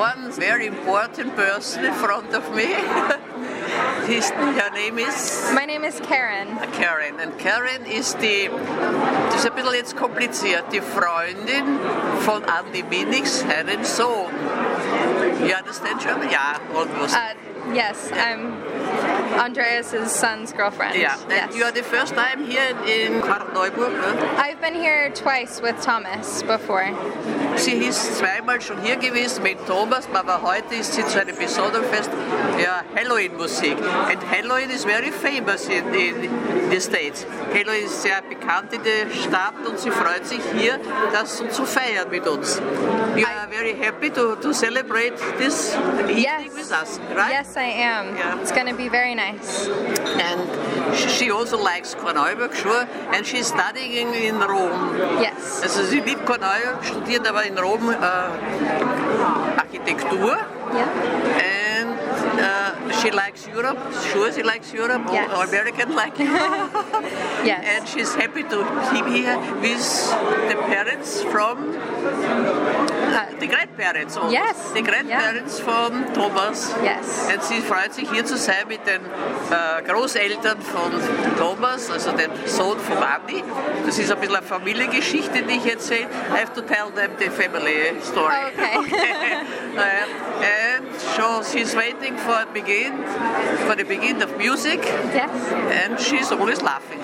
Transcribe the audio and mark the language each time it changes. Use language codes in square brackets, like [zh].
[en] Very important person in front of me. My name is Karen. Karen. And Karen is the, it's a little [de] jetzt kompliziert, die Freundin von Andy Minnick's Herren Sohn. [en] You understand German? Yeah, almost. Yes, yeah. I'm Andreas' son's girlfriend. Yeah, and yes. You are the first time here in Korneuburg, huh? I've been here twice with Thomas before. [de] Sie ist zweimal schon hier gewesen mit Thomas, aber heute ist sie zu einem besonderen Fest, ja, Halloween-Musik. [en] And Halloween is very famous in the States. [de] Halloween ist sehr bekannt in der Stadt und sie freut sich hier, das so zu feiern mit uns. [en] You are very happy to celebrate this evening, yes, with us, right? Yes, I am. Yeah. It's going to be very nice. And she also likes Korneuburg, sure. And she's studying in Rome. Yes. [de] Also sie liebt Korneuburg, studiert aber in Rom Architektur. [en] Yeah. And she likes Europe. Sure, she likes Europe. Yes. Or American like Europe. Yes. And she's happy to keep here with the parents from... the grandparents, also. Yes. The grandparents, yeah, from Thomas. Yes. [de] And sie freut sich hier zu sein mit den Großeltern von Thomas, also dem Sohn von Andy. Das ist ein bisschen eine Familiengeschichte, die ich erzähle. [en] I have to tell them the family story. Okay. And so she's waiting for the begin of music. Yes. And she's always laughing.